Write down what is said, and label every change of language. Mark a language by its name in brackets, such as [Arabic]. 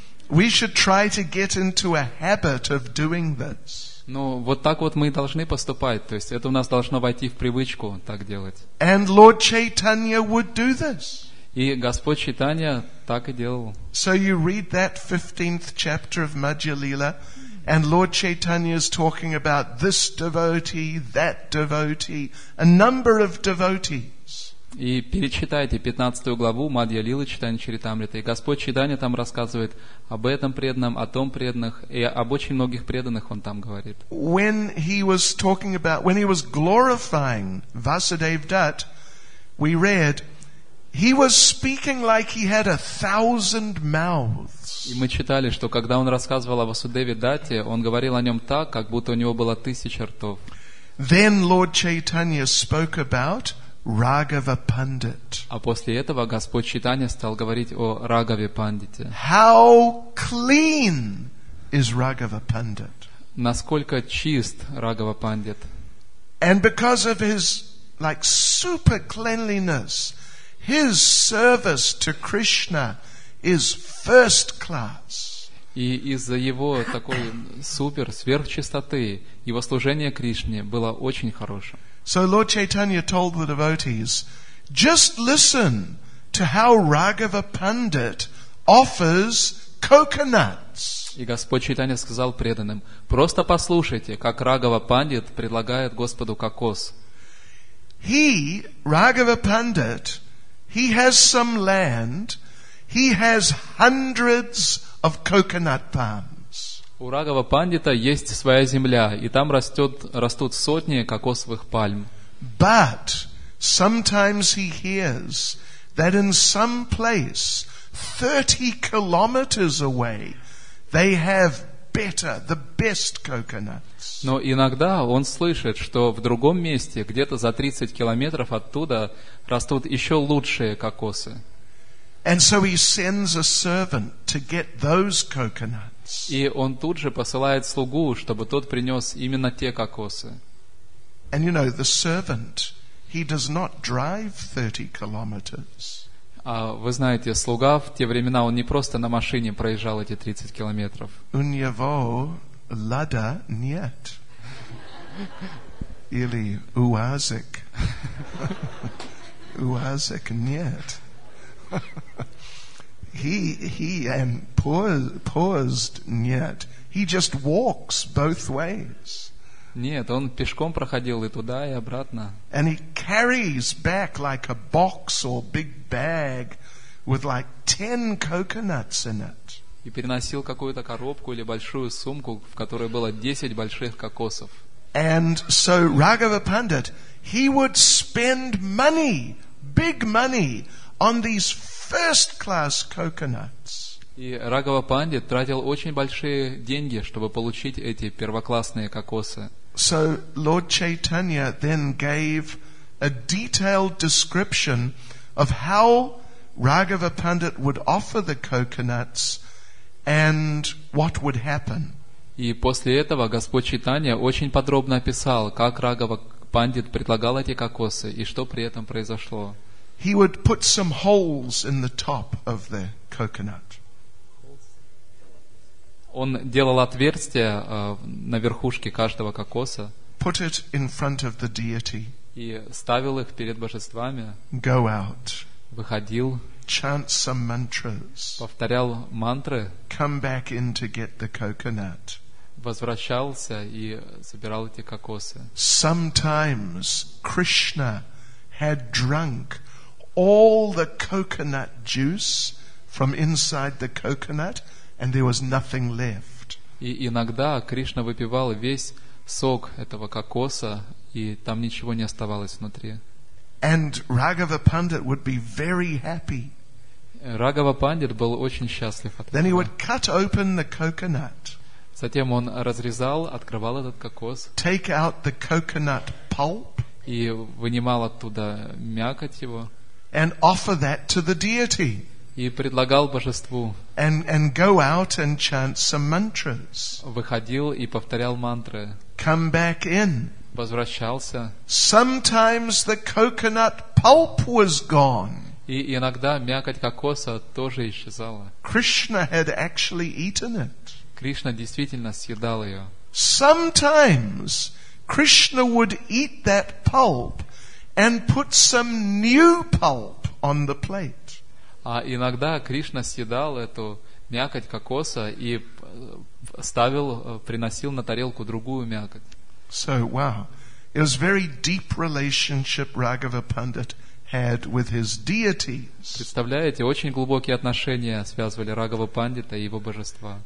[English] We should try to get into a habit of doing this. [Russian] Ну, вот так вот мы должны поступать. То есть это у нас должно войти в привычку так делать. [English] And Lord Chaitanya would do this. [Russian] И Господь Чайтанья так и делал. [English] So you read that 15th chapter of Madhya Lila, and Lord Chaitanya is talking about this devotee, that devotee, a number of devotees. [Russian] И перечитайте 15 главу Мадья Лилы Чайтанья Чаритамриты. И Господь Чайтанья там рассказывает об этом преданном, о том преданных, и об очень многих преданных он там говорит. [English] When he was talking about, when he was glorifying Vasudev Dutt, we read, He was speaking like he had a thousand mouths. [Russian] И мы читали, что когда он рассказывал о Васудеве Дате, он говорил о нем так, как будто у него было тысяча ртов. [English] Then Lord Chaitanya spoke about Raghava Pandit. [Russian] А после этого Господь Чайтанья стал говорить о Рагаве Пандите. [English] How clean is Raghava Pandit? [Russian] Насколько чист Рагава Пандит? [English] And because of his like super cleanliness, his service to Krishna is first class. [Russian] И из-за его такой супер сверхчистоты его служение Кришне было очень хорошим. [English] So Lord Chaitanya told the devotees, just listen to how Raghava Pandit offers coconuts. [Russian] И Господь Чайтанья сказал преданным: просто послушайте, как Раghava Pandit предлагает Господу кокос. [English] He, Raghava Pandit, he has some land, he has hundreds of coconut palms. [Russian] У Раghava Pandita есть своя земля, и там растут сотни кокосовых пальм. [English] But sometimes he hears that in some place 30 kilometers away they have better, the best coconuts. [Russian] Но иногда он слышит, что в другом месте, где-то за 30 километров оттуда, растут еще лучшие кокосы. [English] And so he sends a servant to get those coconuts. [Russian] И он тут же посылает слугу, чтобы тот принес именно те кокосы. [English] And you know, the servant, he does not drive 30 kilometers. [Russian] А вы знаете, слуга в те времена, он не просто на машине проезжал эти 30 километров. У него лада нет. Или уазик. Уазик нет. He and paused нет. [English] He just walks both ways. [Russian] Нет, он пешком проходил и туда, и обратно. [English] And he carries back like a box or big bag with like 10 coconuts in it. [Russian] И переносил какую-то коробку или большую сумку, в которой было 10 больших кокосов. [English] And so Raghava Pandit, he would spend money, big money, on these first-class coconuts. [Russian] И Раghava Pandit тратил очень большие деньги, чтобы получить эти первоклассные кокосы. [English] So Lord Chaitanya then gave a detailed description of how Raghava Pandit would offer the coconuts and what would happen. [Russian] И после этого Господь Чайтанья очень подробно описал, как Раghava Pandit предлагал эти кокосы и что при этом произошло. [English] He would put some holes in the top of the coconut. [Russian] Он делал отверстия на верхушке каждого кокоса. [English] Put it in front of the deity. [Russian] И ставил их перед божествами. [English] Go out. [Russian] Выходил. [English] Chant some mantras. [Russian] Повторял мантры. [English] Come back in to get the coconut. [Russian] Возвращался и забирал эти кокосы. [English] Sometimes Krishna had drunk all the coconut juice from inside the coconut. And there was nothing left. [Russian] И иногда Кришна выпивал весь сок этого кокоса, и там ничего не оставалось внутри. [English] And Raghava Pandit would be very happy. [Russian] Раghava Pandit был очень счастлив от этого. [English] Then he would cut open the coconut. [Russian] Затем он разрезал, открывал этот кокос. [English] Take out the coconut pulp. [Russian] И вынимал оттуда мякоть его. [English] And offer that to the deity. [Russian] И предлагал божеству. [English] And go out and chant some mantras. [Russian] Выходил и повторял мантры. [English] Come back in. [Russian] Возвращался. [English] Sometimes the coconut pulp was gone. [Russian] И иногда мякоть кокоса тоже исчезала. [English] Krishna had actually eaten it. [Russian] Кришна действительно съедал ее. [English] Sometimes Krishna would eat that pulp and put some new pulp on the plate. [Russian] А иногда Кришна съедал эту мякоть кокоса и ставил, приносил на тарелку другую мякоть. [English] So, wow. It was very deep relationship Raghava Pandit had with his deities. [Russian] Представляете, очень глубокие отношения связывали Раghava Pandita и его божества.